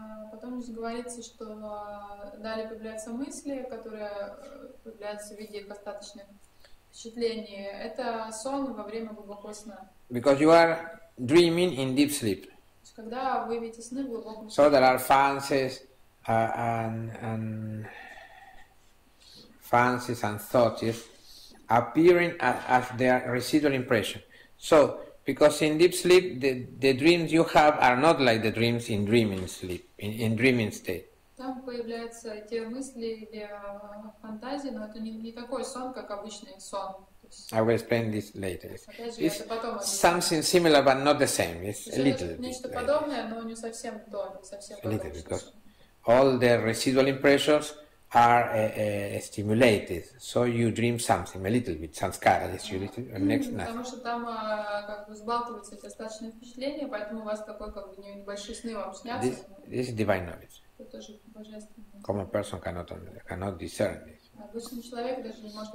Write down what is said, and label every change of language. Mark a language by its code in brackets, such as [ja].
[ru] Потом говорится, что далее появляются мысли, которые появляются в виде остаточных впечатлений. Это сон во время глубокого сна. [en] Because you are dreaming in deep sleep. So there are fancies and thoughts, yes, appearing as their residual impression. So, because in deep sleep, the dreams you have are not like the dreams in dreaming sleep, in dreaming state. [ru] Там появляются те мысли или фантазии, но это не такой сон, как обычный сон. [en] I will explain this later. It's something similar, but not the same. It's a little bit. [ru] Нечто подобное, но не совсем то, не совсем. [en] A little, because all the residual impressions are stimulated, so you dream something a little bit. Sanskara, yes, you little. Next night. [ru] Потому что там как бы сбалтываются эти остаточные впечатления, поэтому у вас такой как бы небольшой сны вам снятся. [en] This is divine knowledge. [ru] Это тоже божественное. [en] Common person cannot discern this. [ru] Обычный человек даже не может.